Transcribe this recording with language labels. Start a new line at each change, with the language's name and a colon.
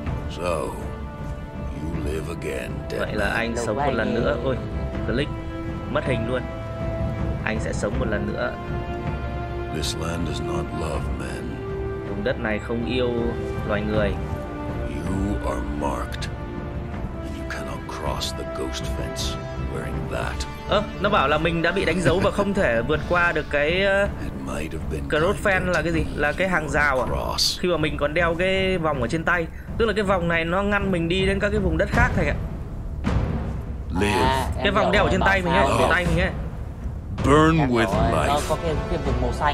English: So, you live again, dead.
Vietnamese: Vậy là anh sống một lần nữa. Ôi, click, mất hình luôn. Anh sẽ sống một lần nữa.
English: This land does not love men.
Vietnamese: Vùng đất này không yêu loài người.
English: You are marked, and you cannot cross the ghost fence wearing that.
Vietnamese: Nó bảo là mình đã bị đánh dấu và không thể vượt qua được cái ghost fence là cái gì? Là cái hàng rào à? Khi mà mình còn đeo cái vòng ở trên tay. Tức là cái vòng này nó ngăn mình đi đến các cái vùng đất khác thầy ạ. Cái vòng đeo ở trên tay mình ấy, ở tay mình ấy.
English: Burn with life.